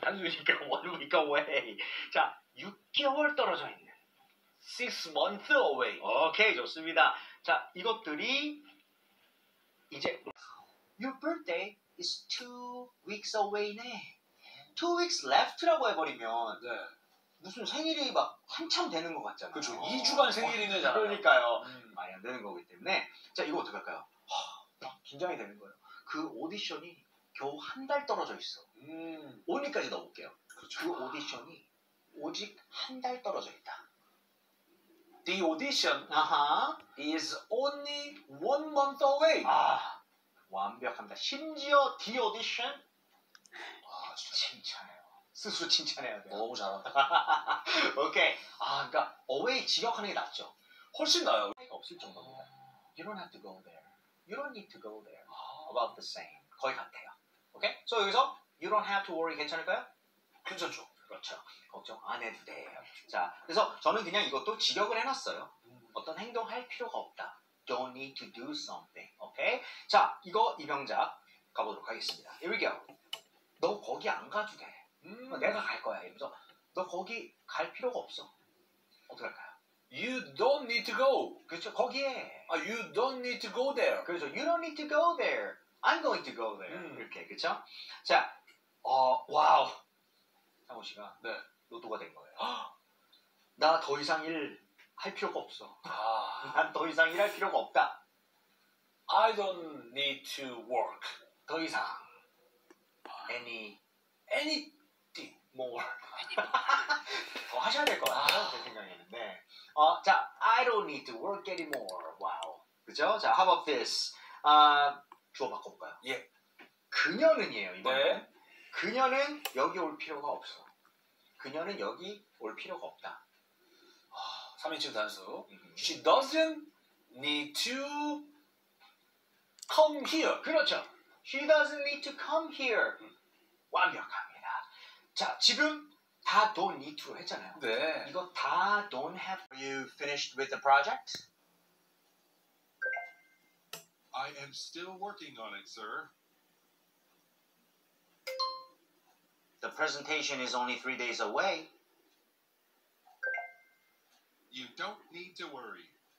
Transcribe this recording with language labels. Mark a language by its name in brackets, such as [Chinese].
[English] 단순히니까 1 week away. [Korean] 자, 6개월 떨어져 있는. [English] 6 months away. [Korean] 오케이, 좋습니다. 자, 이것들이 이제 [English] Your birthday is 2 weeks away네. 2 weeks left라고 [Korean] 해버리면 네. 무슨 생일이 막 한참 되는 것 같잖아요. 그렇죠. 2주간 생일이잖아요. 그러니까요. 많이 안 되는 거기 때문에 자, 이거 어떻게 할까요? 긴장이 되는 거예요. 그 오디션이 겨우 한 달 떨어져 있어. 5일까지 넣어볼게요. 그렇죠. 그 오디션이 오직 한 달 떨어져 있다. [English] The audition uh-huh. is only 1 month away. [Korean] 아, 완벽합니다. [English] 심지어 the audition. [Korean] 와, 진짜. 칭찬해요. 스스로 칭찬해야 돼요. 너무 잘한다. 오케이. Okay. 아, 그러니까 away 직역하는 게 낫죠. 훨씬 나아요. 없을 정도입니다. [English] You don't have to go there. You don't need to go there. About the same. [Korean] 거의 같아요. [English] 오케이? Okay? So 여기서 you don't have to worry 괜찮을까요? [Korean] 괜찮죠. 그렇죠. 걱정 안 해도 돼요. 자, 그래서 저는 그냥 이것도 직역을 해놨어요. 어떤 행동할 필요가 없다. [English] Don't need to do something. [Korean] 오케이? 자, 이거 입영작 가보도록 하겠습니다. [English] Here we go. [Korean] 너 거기 안 가도 돼. 내가 갈 거야. 이러면서 너 거기 갈 필요가 없어. 어떡할까요? [English] You don't need to go. [Korean] 그렇죠. 거기에. [English] You don't need to go there. [Korean] 그렇죠. [English] You don't need to go there. I'm going to go there. [Korean] 이렇게. 그렇죠? 자, 와우. 상호 씨가 네. 로또가 된 거예요. 나 더 이상 일 할 필요가 없어. 난 더 이상 일할 필요가 없다. [English] I don't need to work. [Korean] 더 이상 anything [English] more. [Korean] 더 하셔야 될 것 같아요. 제 생각에는. 네. [English] 자, I don't need to work anymore. [Korean] 와우. 그죠? 자, [English] how about this? [Korean] 주어 바꿔볼까요? 예. 그녀는이에요. 이번에. 네. 그녀는 여기 올 필요가 없어. 그녀는 여기 올 필요가 없다. 3인칭 단수. [English] She doesn't need to come here. [Korean] 그렇죠. [English] She doesn't need to come here. [Korean] 완벽합니다. 자, 지금 다 don't need to 했잖아요. 네. 이거 다 don't have. [English] Are you finished with the project? I am still working on it, sir. The presentation is only 3 days away. You don't need to worry.